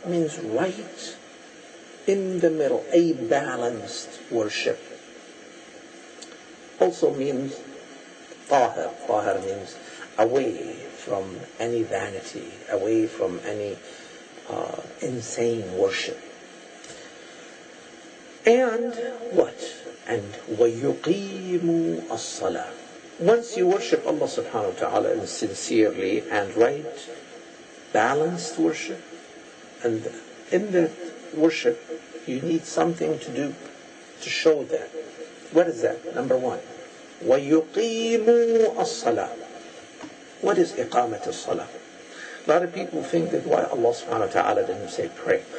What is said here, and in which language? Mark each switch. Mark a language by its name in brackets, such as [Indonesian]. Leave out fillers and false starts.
[English] It means right in the middle, a balanced worship. Also means tahir. Tahir means away from any vanity, away from any insane worship. And what? And [Arabic] وَيُقِيمُ الصَّلَاةِ. [English] Once you worship Allah subhanahu wa ta'ala in sincerely and right, balanced worship, and in that worship you need something to do to show that. What is that? Number one. [Arabic] وَيُقِيمُ الصَّلَاةِ. [English] What is [Arabic] إِقَامَةُ الصَّلَاةِ? [English] A lot of people think that why Allah subhanahu wa ta'ala didn't say pray.